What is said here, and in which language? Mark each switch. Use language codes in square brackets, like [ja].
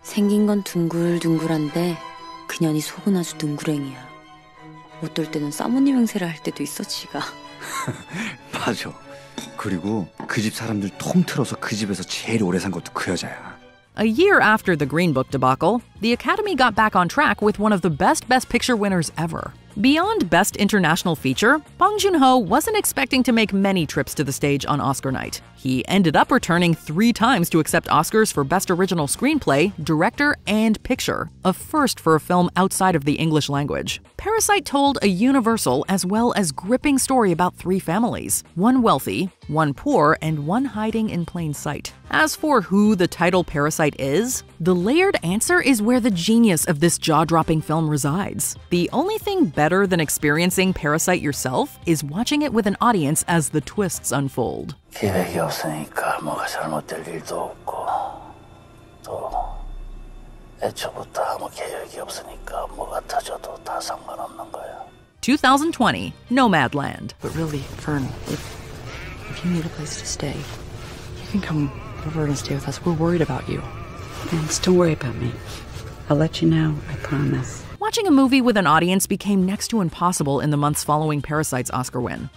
[ko] 생긴 건 둥글둥글한데 그년이 속은 아주 둥그랭이야. 어떨 때는 사모님 행세를 할 때도 있어, 지가. 맞아. 그리고 그 집 사람들 통틀어서 그 집에서 제일 오래 산 것도 그 여자야. [en] A year after the Green Book debacle, the Academy got back on track with one of the best picture winners ever. Beyond Best International Feature, Bong Joon-ho wasn't expecting to make many trips to the stage on Oscar night. He ended up returning three times to accept Oscars for Best Original Screenplay, Director, and Picture, a first for a film outside of the English language. Parasite told a universal as well as gripping story about three families, one wealthy, one poor, and one hiding in plain sight. As for who the title Parasite is, the layered answer is where the genius of this jaw-dropping film resides. The only thing better than experiencing Parasite yourself is watching it with an audience as the twists unfold. [ko] 기획이 없으니까 뭐가 잘못될 일도 없고 또 애초부터 아무 계획이 없으니까 뭐가 터져도 다 상관없는 거야. [en] 2020, Nomadland. But really, Fern, if you need a place to stay, you can come over and stay with us. We're worried about you. And don't worry about me. I'll let you know, I promise. Watching a movie with an audience became next to impossible in the months following Parasite's Oscar win.